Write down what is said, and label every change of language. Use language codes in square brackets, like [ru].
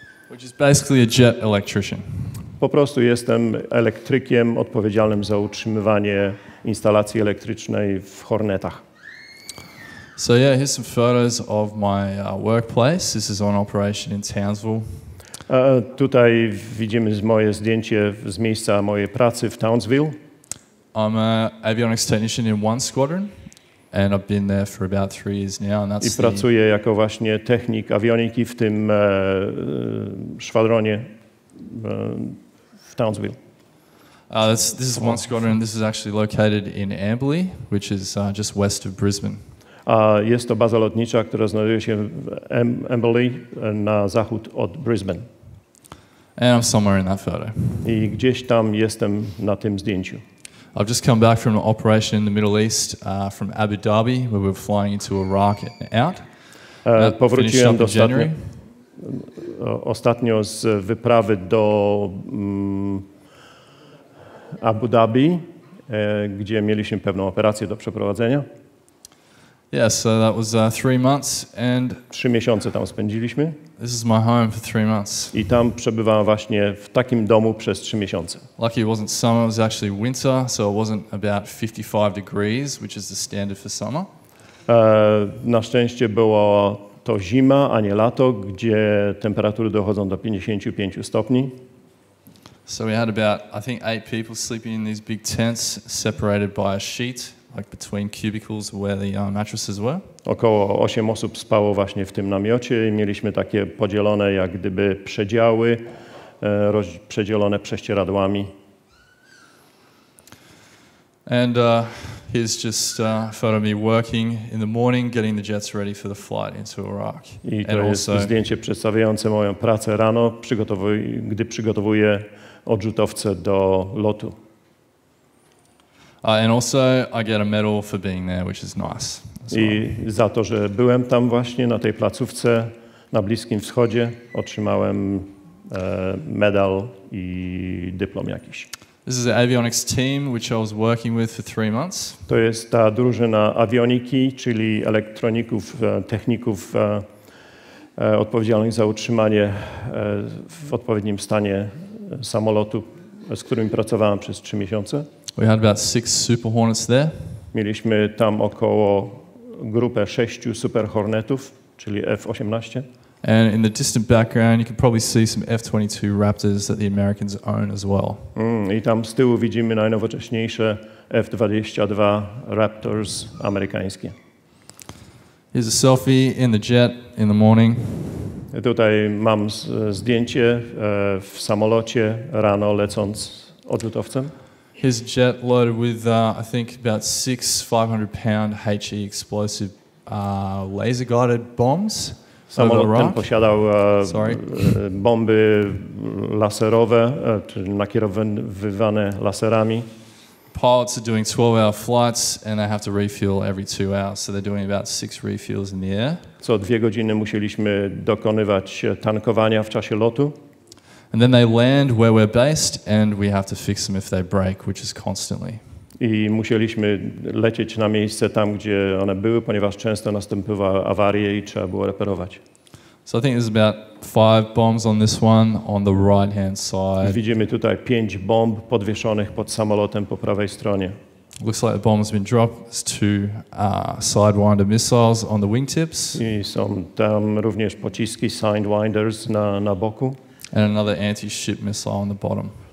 [en] Which is basically a jet electrician. [pl] Po prostu jestem elektrykiem odpowiedzialnym za utrzymywanie instalacji elektrycznej w Hornetach. [en] So yeah, here's some photos of my workplace. This is on operation in Townsville. [pl] Tutaj widzimy moje zdjęcie z miejsca mojej pracy w Townsville. [en] I'm an avionics technician in one squadron, and I've been there for about 3 years now. And that's [pl] I pracuję jako właśnie technik awioniki w tym szwadronie w Townsville. [en] This is one squadron. This is actually located in Amberley, which is just west of Brisbane. [pl] A jest to baza lotnicza, która znajduje się w Amberley, na zachód od Brisbane. [en] And I'm somewhere in that photo. [pl] I gdzieś tam jestem na tym zdjęciu. [en] I've just come back from an operation in the Middle East, from Abu Dhabi, where we're flying into Iraq and out. [pl] Powróciłem ostatnio z wyprawy do Abu Dhabi, gdzie mieliśmy pewną operację do przeprowadzenia. [en] Yeah, so that was 3 months and [pl] 3 miesiące tam spędziliśmy. [en] This is my home for 3 months. [pl] I tam przebywałem właśnie w takim domu przez 3 miesiące. [en] Lucky it wasn't summer, it was actually winter, so it wasn't about 55 degrees, which is the standard for summer. [pl] Na szczęście było to zima, a nie lato, gdzie temperatury dochodzą do 55 stopni. [en] So we had about, I think, 8 people sleeping in these big tents separated by a sheet. like between cubicles where the mattresses were. [pl] Około 8 osób spało właśnie w tym namiocie i mieliśmy takie podzielone jak gdyby przedziały, przedzielone prześcieradłami. [en] And he's just photo me working in the morning getting the jets ready for the flight into Iraq. [pl] I to [en] and [pl] jest [en] also [pl] zdjęcie przedstawiające moją pracę rano, gdy przygotowuję odrzutowce do lotu. [en] And also I get a medal for being there, which is nice. As [pl] I za to, że byłem tam właśnie na tej placówce na Bliskim Wschodzie, otrzymałem medal i dyplom jakiś. [en] This is the avionics team which I was working with for 3 months. [pl] To jest ta drużyna awioniki, czyli elektroników, techników odpowiedzialnych za utrzymanie w odpowiednim stanie samolotu, z którymi pracowałem przez 3 miesiące. [en] We had about 6 Super Hornets there. [pl] Mieliśmy tam około grupę 6 Super Hornetów, czyli F-18. [en] And in the distant background, you can probably see some F-22 Raptors that the Americans own as well. [pl] I tam z tyłu widzimy najnowocześniejsze F-22 Raptors amerykańskie. [en] Here's a selfie in the jet in the morning. [pl] Tutaj mam zdjęcie w samolocie rano lecąc odrzutowcem. [en] His jet loaded with, I think, about 6 500-pound HE explosive laser-guided bombs. [pl] Samolot ten posiadał bomby laserowe, czyli nakierowywane laserami. [en] Pilots are doing 12-hour flights and they have to refuel every 2 hours, so they're doing about 6 refuels in the air. [pl] Co 2 godziny musieliśmy dokonywać tankowania w czasie lotu. [en] And then they land where we're based and we have to fix them if they break, which is constantly. [pl] I musieliśmy lecieć na miejsce tam, gdzie one były, ponieważ często następowały awarie i trzeba było reperować. [en] So I think there's about 5 bombs on this one, on the right hand side. [pl] Widzimy tutaj 5 bomb podwieszonych pod samolotem po prawej stronie. [en] Looks like the bomb has been dropped. It's 2 sidewinder missiles on the wingtips. [pl] I są tam również pociski sidewinders na boku. [en] And another anti-ship missile on the bottom.